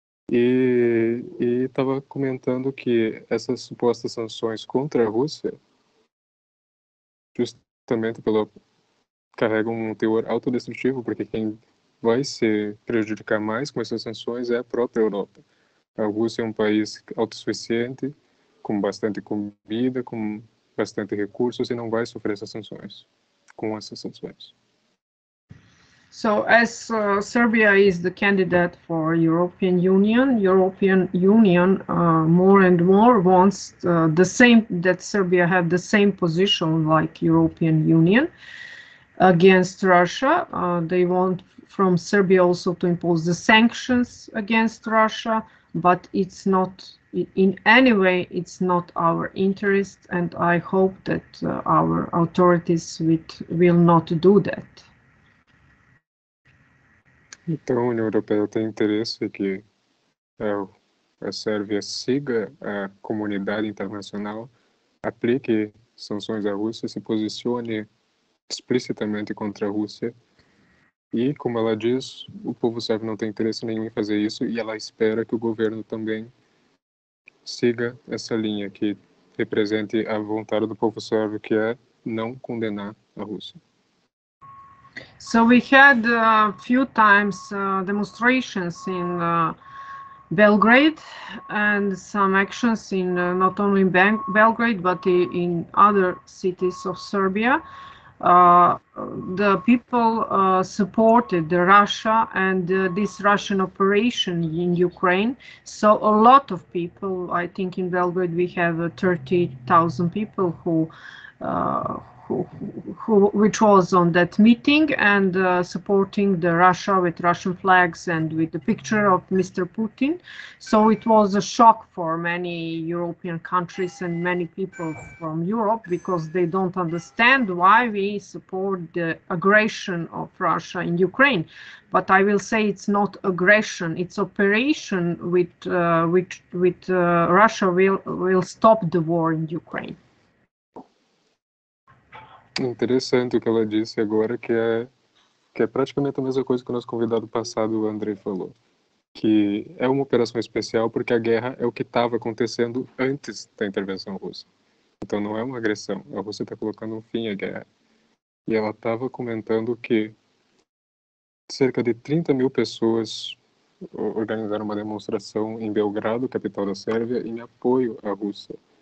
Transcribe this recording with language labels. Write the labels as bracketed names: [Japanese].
[Portuguese] E estava comentando que essas supostas sanções contra a Rússia justamente carregam um teor autodestrutivo, porque quem vai se prejudicar mais com essas sanções é a própria Europa. A Rússia é um país autossuficiente, com bastante comida, com bastante recursos, e não vai sofrer essas sanções, com essas sanções. [English] So, as Serbia is the candidate for European Union more and more wants the same, that Serbia have the same position like European Union against Russia. They want from Serbia also to impose the sanctions against Russia, but it's not in any way, it's not our interest, and I hope that our authorities will not do that. [Portuguese] Então, a União Europeia tem interesse que a Sérvia siga a comunidade internacional, aplique sanções à Rússia, se posicione explicitamente contra a Rússia. E, como ela diz, o povo sérvio não tem interesse nenhum em fazer isso, e ela espera que o governo também siga essa linha, que represente a vontade do povo sérvio, que é não condenar a Rússia. [English] So we had a few times demonstrations in Belgrade and some actions in not only in Belgrade but in other cities of Serbia. The people supported the Russia and this Russian operation in Ukraine. So a lot of people, I think in Belgrade we have 30,000 people which was on that meeting and supporting the Russia with Russian flags and with the picture of Mr. Putin. So it was a shock for many European countries and many people from Europe, because they don't understand why we support the aggression of Russia in Ukraine. But I will say it's not aggression, it's operation which Russia will stop the war in Ukraine. [Portuguese] Interessante o que ela disse agora, que é praticamente a mesma coisa que o nosso convidado passado, o André, falou. Que é uma operação especial porque a guerra é o que estava acontecendo antes da intervenção russa. Então não é uma agressão, a Rússia está colocando um fim à guerra. E ela estava comentando que cerca de 30 mil pessoas organizaram uma demonstração em Belgrado, capital da Sérvia, em apoio à Rússia.